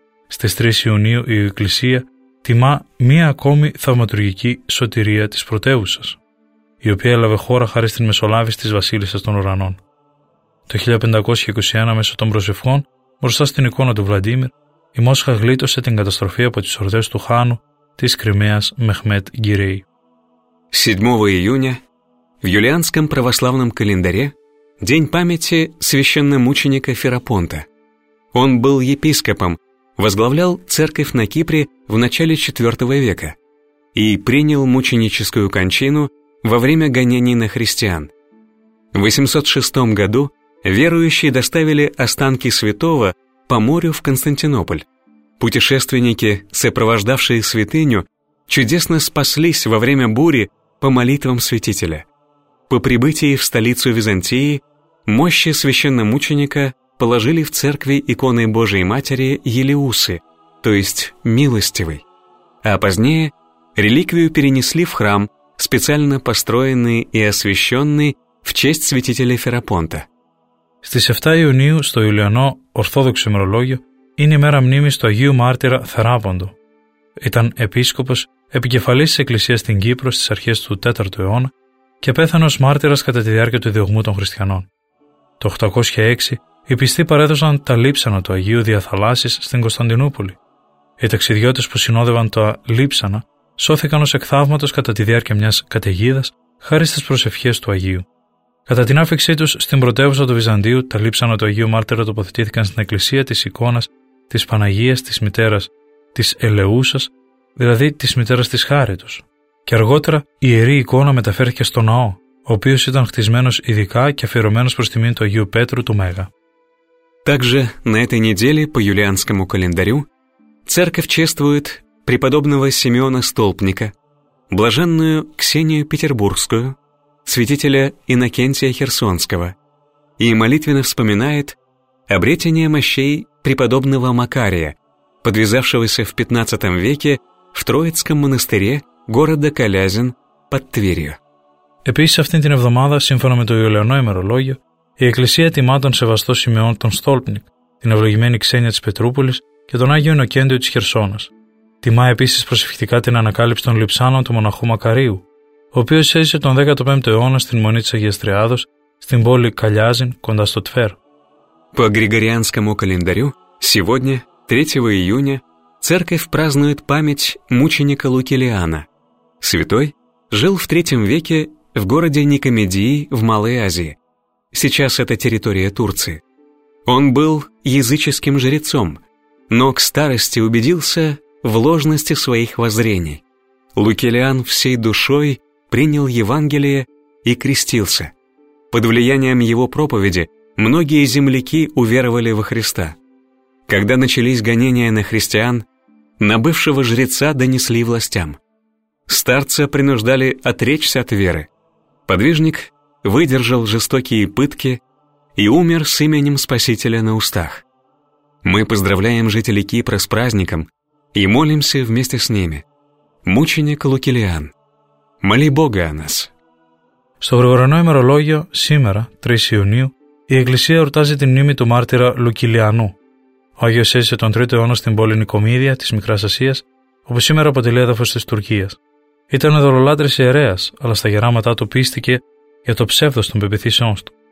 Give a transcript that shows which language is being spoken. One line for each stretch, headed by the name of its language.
Greek: Στις 3 Ιουνίου η Εκκλησία τιμά μία ακόμη θαυματουργική σωτηρία της πρωτεύουσας, η οποία έλαβε χώρα χάρη στην μεσολάβηση της Βασίλισσας των Ουρανών. Το 1521, μέσω των προσευχών, μπροστά στην εικόνα του Βλαντίμιρ, η Μόσχα γλίτωσε την καταστροφή από τις ορδές του Χάνου της Κρυμαίας Μεχμέτ Γκυρέη.
Russian: 7 июня в юлианском православном календаре день памяти священномученика Ферапонта. Он был епископом, возглавлял церковь на Кипре в начале 4 века и принял мученическую кончину во время гонений на христиан. В 806 году верующие доставили останки святого по морю в Константинополь. Путешественники, сопровождавшие святыню, чудесно спаслись во время бури по молитвам святителя. По прибытии в столицу Византии мощи священномученика положили в церкви иконы Божией Матери Елеусы, то есть Милостивой. А позднее реликвию перенесли в храм, специально построенный и освященный в честь святителя Ферапонта.
Greek: Στις 7 Ιουνίου, στο Ιουλιανό Ορθόδοξο ημερολόγιο, είναι η μέρα μνήμης του Αγίου Μάρτυρα Θεράποντο. Ήταν επίσκοπος, επικεφαλής της Εκκλησίας στην Κύπρο στις αρχές του 4ου αιώνα και πέθανε ως μάρτυρας κατά τη διάρκεια του διωγμού των χριστιανών. Το 806, οι πιστοί παρέδωσαν τα λείψανα του Αγίου δια θαλάσσης στην Κωνσταντινούπολη. Οι ταξιδιώτες που συνόδευαν τα λείψανα σώθηκαν ως εκ θαύματος κατά τη διάρκεια μιας καταιγίδας χάρη στις προσευχές του Αγίου. Κατά την άφηξή τους στην πρωτεύουσα του Βυζαντίου, τα λείψανα του Αγίου Μάρτυρα τοποθετήθηκαν στην εκκλησία της εικόνας της Παναγίας της Μητέρας της Ελεούσας, δηλαδή της Μητέρας της Χάριτος. Και αργότερα η ιερή εικόνα μεταφέρθηκε στο ναό, ο οποίος ήταν χτισμένος ειδικά και αφιερωμένος προς τιμήν του Αγίου Πέτρου του Μέγα.
Russian: Также на этой неделе по юлианскому календарю церковь чествует преподобного Симеона Столпника, блаженную Ксению Петербургскую, святителя Иннокентия Херсонского, и молитвенно вспоминает обретение мощей преподобного Макария, подвязавшегося в 15 веке в Троицком монастыре города Калязин под Тверью.
Greek: Επίσης, αυτήν την εβδομάδα, σύμφωνα με το Ιουλιανό ημερολόγιο, η Εκκλησία τιμά τον Σεβαστό Σιμεών τον Στόλπνικ, την ευλογημένη Ξένια της Πετρούπολης και τον Άγιο Ινοκέντιο της Χερσόνας. Τιμά επίσης προσευχητικά την ανακάλυψη των λειψάνων του μοναχού Μακαρίου, ο οποίος έζησε τον 15ο αιώνα στην Μονή της Αγίας Τριάδος, στην πόλη Καλιάζιν, κοντά στο Τφέρ.
Russian: По григорианскому календарю, сегодня, 3 июня, церковь празднует память мученика Лукилиана. Святой жил в III веке в городе Никомедии в Малой Азии. Сейчас это территория Турции. Он был языческим жрецом, но к старости убедился в ложности своих воззрений. Лукилиан всей душой принял Евангелие и крестился. Под влиянием его проповеди многие земляки уверовали во Христа. Когда начались гонения на христиан, на бывшего жреца донесли властям. Старца принуждали отречься от веры. Подвижник выдержал жестокие пытки и умер с именем Спасителя на устах. Мы поздравляем жителей Кипра с праздником и молимся вместе с ними. Мученик Лукилиан, моли Бога о нас.
Greek: Στο γρηγορενό ημερολόγιο, σήμερα, 3 Ιουνίου, η Εκκλησία εορτάζει τη μνήμη του μάρτυρα Λουκιλιανού. Ο Άγιος έζησε τον 3ο αιώνα στην πόλη Νικομίδια της Μικράς Ασίας, όπου σήμερα αποτελεί έδαφος της Τουρκίας. Ήταν ειδωλολάτρης ιερέας, αλλά στα γεράματά του πίστηκε για το ψεύδος των πεποιθήσεών του.